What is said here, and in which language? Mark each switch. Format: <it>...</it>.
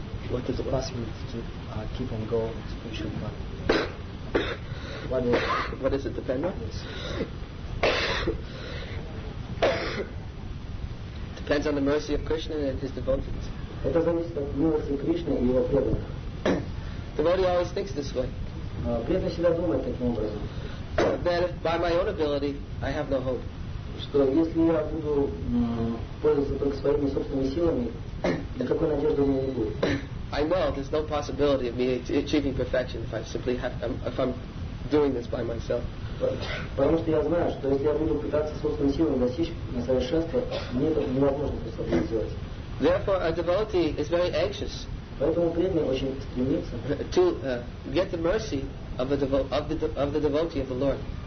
<en>What is the possibility to keep on go on his spiritual path? What does it depend on? Yes. Depends on the mercy of Krishna and his devotees.</en> <ru>Это зависит от милости Кришны и его преданных.</ru> <en>Devotee always thinks this way.</en> <ru>Преданный всегда думает таким образом.</ru> <en>That if by my own ability, I have no hope.</en> <ru>Что если я буду пользоваться только своими собственными силами, никакой надежды у меня не будет.</ru> <en>I know there's no possibility of me achieving perfection if I'm doing this by myself.</en> <ru>Потому что я знаю, что если я буду пытаться собственными силами достичь на совершенство, мне это невозможно просто будет сделать.</ru> <en>Therefore, a devotee is very anxious to get the mercy of the devotee of the Lord.</en>